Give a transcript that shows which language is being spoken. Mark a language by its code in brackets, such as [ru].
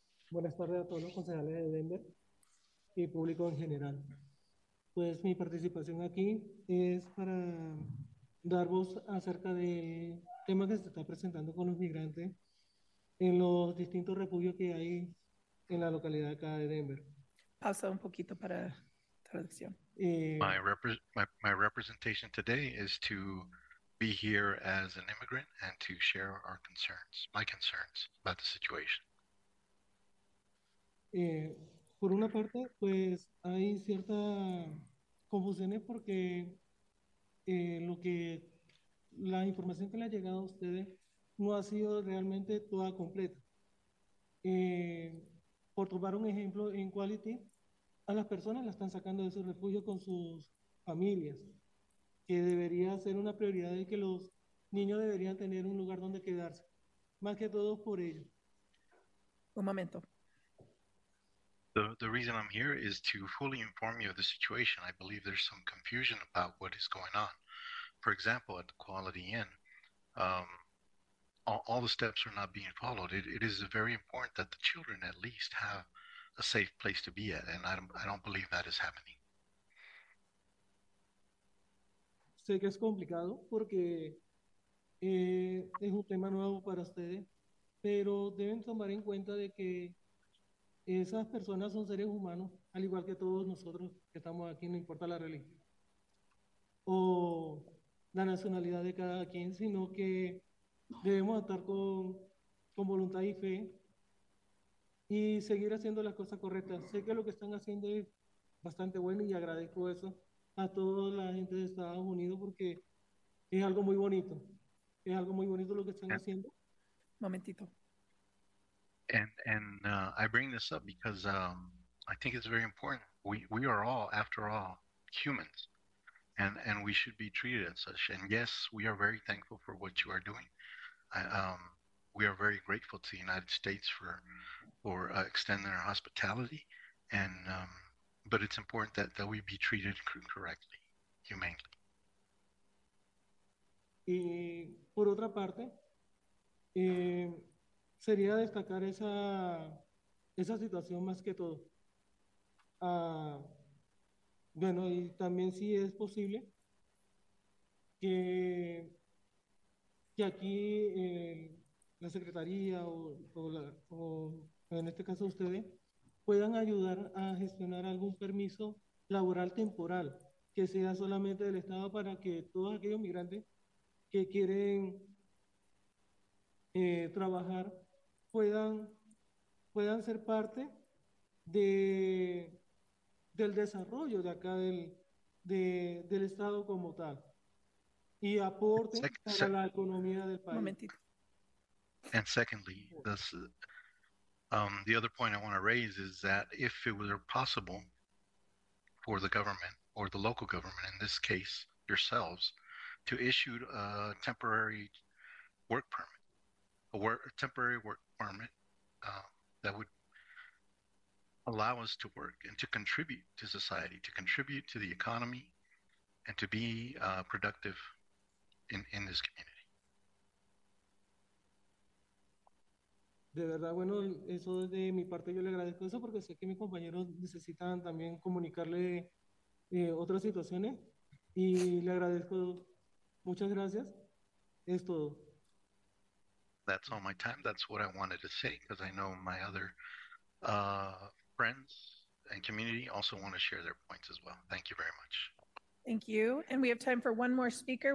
[es] Buenas tardes a todos los concejales de Denver y público en general. Pues mi participación aquí es para dar voz acerca del tema que se está presentando con los migrantes en los distintos refugios que hay en la localidad acá de Denver. Pausa un poquito para traducción. [en] My representation today is to be here as an immigrant and to share our concerns, my concerns about the situation. [es] Por una parte, pues hay cierta confusiones porque lo que la información que le ha llegado a ustedes no ha sido realmente toda completa. Por tomar un ejemplo, en Quality, a las personas las están sacando de su refugio con sus familias, que debería ser una prioridad de que los niños deberían tener un lugar donde quedarse, más que todo por ellos. Un momento. [en] The reason I'm here is to fully inform you of the situation. I believe there's some confusion about what is going on. For example, at the Quality Inn, all the steps are not being followed. It is very important that the children at least have a safe place to be at, and I don't believe that is happening. [es] Sé que es complicado porque es un tema nuevo para ustedes, pero deben tomar en cuenta de que esas personas son seres humanos, al igual que todos nosotros que estamos aquí, no importa la religión o la nacionalidad de cada quien, sino que debemos estar con voluntad y fe y seguir haciendo las cosas correctas. Sé que lo que están haciendo es bastante bueno y agradezco eso a toda la gente de Estados Unidos porque es algo muy bonito. Es algo muy bonito lo que están haciendo. Momentito. [en] And I bring this up because I think it's very important. We are all, after all, humans, and we should be treated as such. And yes, we are very thankful for what you are doing. We are very grateful to the United States for extending our hospitality. But it's important that we be treated correctly, humanely. [es] Y por otra parte, sería destacar esa situación más que todo. Bueno, y también sí es posible que aquí la secretaría o en este caso ustedes puedan ayudar a gestionar algún permiso laboral temporal que sea solamente del Estado para que todos aquellos migrantes que quieren trabajar puedan ser parte del desarrollo de acá del estado como tal y aporte para la economía del país. Momentito. [en] And secondly, this, the other point I want to raise is that if it were possible for the government or the local government, in this case yourselves, to issue a temporary work permit, that would allow us to work and to contribute to society, to contribute to the economy, and to be productive in this community. [es] De verdad, bueno, eso de mi parte yo le agradezco eso porque sé que mis compañeros necesitan también comunicarle otras situaciones y le agradezco. Muchas gracias. Es todo. [en] That's all my time. That's what I wanted to say because I know my other friends and community also want to share their points as well. Thank you very much. Thank you. And we have time for one more speaker.